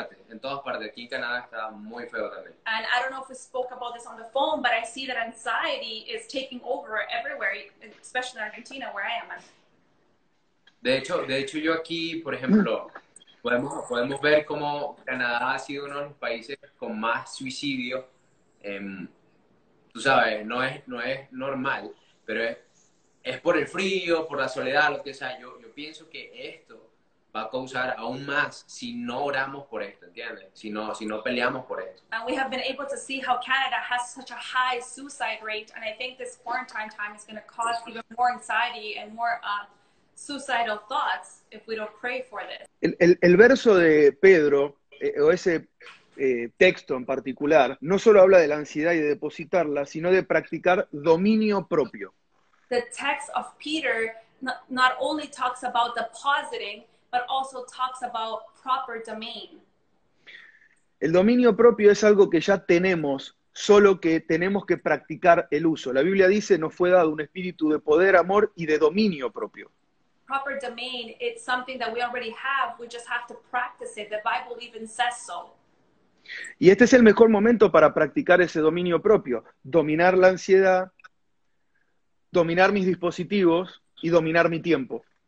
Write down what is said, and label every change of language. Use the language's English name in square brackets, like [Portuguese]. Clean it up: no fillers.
[Spanish] En todas partes. Aquí en Canadá está muy feo también. [English] And I don't know if we spoke about this on the phone, but I see that anxiety is taking over everywhere, especially in Argentina, where I am. [Spanish] De hecho, yo aquí, por ejemplo, podemos ver cómo Canadá ha sido uno de los países con más suicidios. Tú sabes, no es normal, pero es por el frío, por la soledad, lo que sea. Yo pienso que esto va a causar aún más si no oramos por esto, ¿entiendes? Si no peleamos por esto. [English] And we have been able to see how Canada has such a high suicide rate, and I think this quarantine time is going to cause even more anxiety and more suicidal thoughts if we don't pray for this. [Spanish] El verso de Pedro, o ese texto en particular, no solo habla de la ansiedad y de depositarla, sino de practicar dominio propio. [English] The text of Peter not only talks about depositing, but also talks about proper domain. [Spanish] El dominio propio es algo que ya tenemos, solo que tenemos que practicar el uso. La Biblia dice, nos fue dado un espíritu de poder, amor y de dominio propio. [English] proper domain, it's something that we already have. We just have to practice it. The Bible even says so. [Spanish] Y este es el mejor momento para practicar ese dominio propio. Dominar la ansiedad, dominar mis dispositivos y dominar mi tiempo.